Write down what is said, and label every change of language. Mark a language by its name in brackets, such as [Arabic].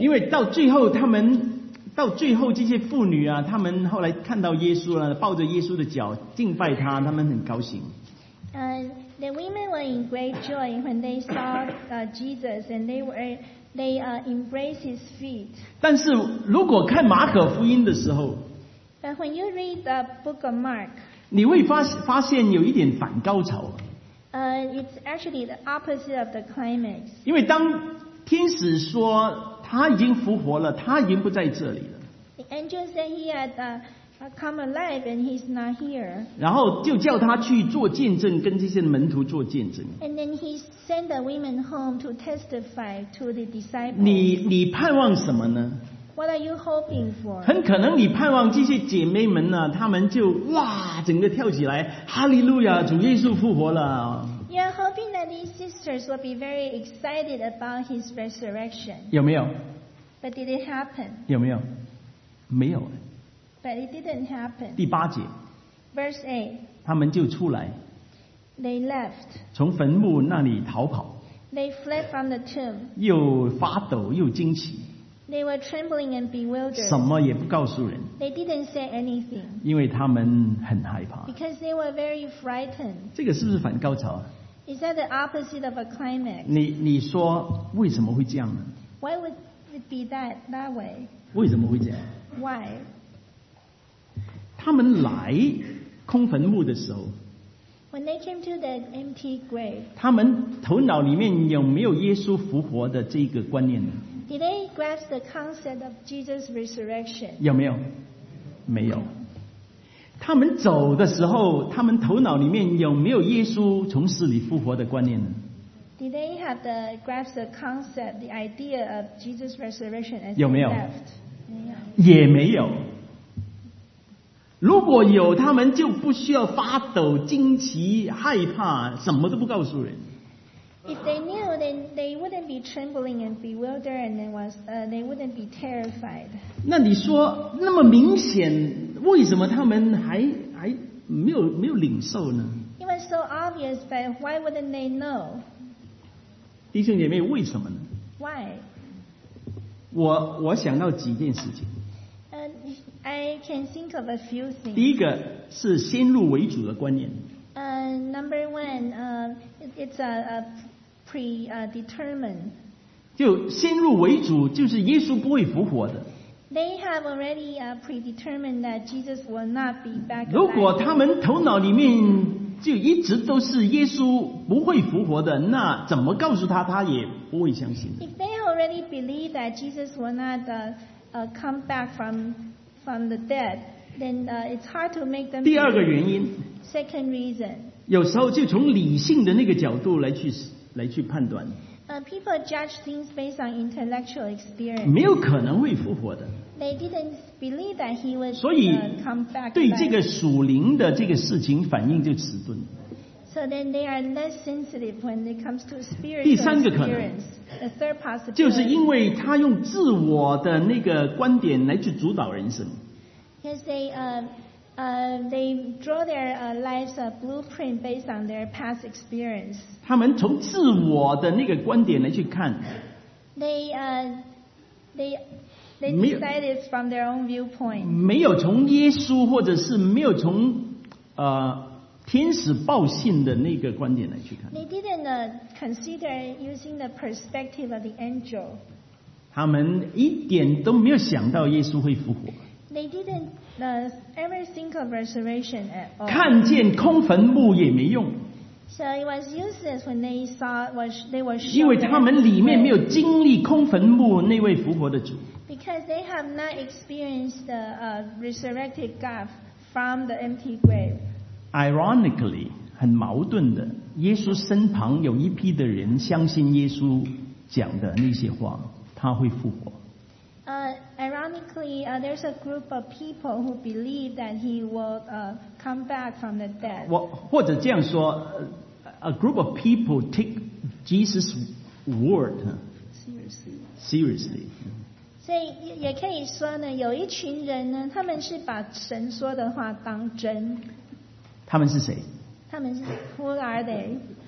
[Chinese] 因为到最后他们，到最后这些妇女啊，他们后来看到耶稣了，抱着耶稣的脚敬拜他，他们很高兴。 [English] The women were in great joy when they saw Jesus and they embraced his feet. [Chinese] 但是如果看马可福音的时候 [English] But when you read the book of Mark, [Chinese] 你会发现有一点反高潮。 [English] It's actually the opposite of the climax. [Chinese] 因为当天使说他已经复活了他已经不在这里了。 [English] The angel said he had come alive and he's not here. [Chinese] 然后就叫他去做见证，跟这些门徒做见证。 [English] And then he sent the women home to testify to the disciples. [Chinese] 你盼望什么呢 [English] ？What are you hoping for？ [Chinese] 很可能你盼望这些姐妹们呢、啊，她们就哇，整个跳起来，哈利路亚，主耶稣复活了。 [English] You are hoping that these sisters will be very excited about his resurrection. [Chinese] 有没有 [English] ？But did it happen？ [Chinese] 有没有？没有。 [English] But it didn't happen. [Chinese] 第八节 [English] Verse 8 [Chinese] 他们就出来 [English] They left [Chinese] 从坟墓那里逃跑 [English] They fled from the tomb [Chinese] 又发抖又惊奇 [English] They were trembling and bewildered. [Chinese] 什么也不告诉人。 [English] They didn't say anything. [Chinese] 因为他们很害怕。 [English] Because they were very frightened. [Chinese] 这个是不是反高潮啊？ [English] Is that the opposite of a climax? [Chinese] 你说为什么会这样呢？ [English] Why would it be that way? [Chinese] 为什么会这样？ [English] Why? [Chinese] 他们来空坟墓的时候， [English] When they came to the empty grave, [Chinese] 他们头脑里面有没有耶稣复活的这个观念呢？ [English] Did they grasp the concept of Jesus' resurrection? [Chinese] 有没有？没有。他们走的时候，他们头脑里面有没有耶稣从死里复活的观念呢？ [English] Did they have the grasp the concept, the idea of Jesus' resurrection as they left? [Chinese] 有没有？没有。也没有。如果有，他们就不需要发抖、惊奇、害怕，什么都不告诉人。 [English] If they knew, then they wouldn't be trembling and bewildered, and they wouldn't be terrified. [Chinese] 那你说那么明显，为什么他们还没有领受呢？ [English] It was so obvious, but why wouldn't they know? [Chinese] 弟兄姐妹，为什么呢？ [English] Why? [Chinese] 我想到几件事情。 [English] I can think of a few things. [Chinese] 第一个是先入为主的观念。 [English] Number one, it's a predetermined. [Chinese] 就先入为主，就是耶稣不会复活的。 [English] They have already predetermined that Jesus will not be back. [Chinese] 如果他们头脑里面就一直都是耶稣不会复活的，那怎么告诉他也不会相信。 [English] If they already believe that Jesus will not come back from the dead, then it's hard to make them. [Chinese] 第二个原因。 [English] Second reason. [Chinese] 有时候就从理性的那个角度来去判断。 [English] People judge things based on intellectual experience. [Chinese] 没有可能会复活的。 [English] They didn't believe that he would. [Chinese] 所以 [English] come back. [Chinese] 对这个属灵的这个事情反应就迟钝。 [English] So then they are less sensitive when it comes to spiritual. [Chinese] 第三个可能。 [English] The third possibility. [Chinese] 就是因为他用自我的那个观点来去主导人生。 [English] Because they draw their life's blueprint based on their past experience. [Chinese] 他们从自我的那个观点来去看。 [English] They decided from their own viewpoint. [Chinese] 没有从耶稣或者是没有从天使报信的那个观点来去看。 [English] They didn't consider using the perspective of the angel. [Chinese] 他们一点都没有想到耶稣会复活。 [English] They didn't ever think of resurrection at all. [Chinese] 看见空坟墓也没用。 [English] So it was useless when they saw what they were shown. [Chinese] 因为他们里面没有经历空坟墓那位复活的主。 [English] Because they have not experienced the resurrected God from the empty grave. Ironically, [Chinese] 很矛盾的，耶稣身旁有一批的人相信耶稣讲的那些话，他会复活。 [English] Ironically, there's a group of people who believe that he will come back from the dead. [Chinese] 或者这样说， [English] a group of people take Jesus' word seriously. [Chinese] 所以也可以说呢，有一群人呢，他们是把神说的话当真。他们是谁？他们是 [English] who are they？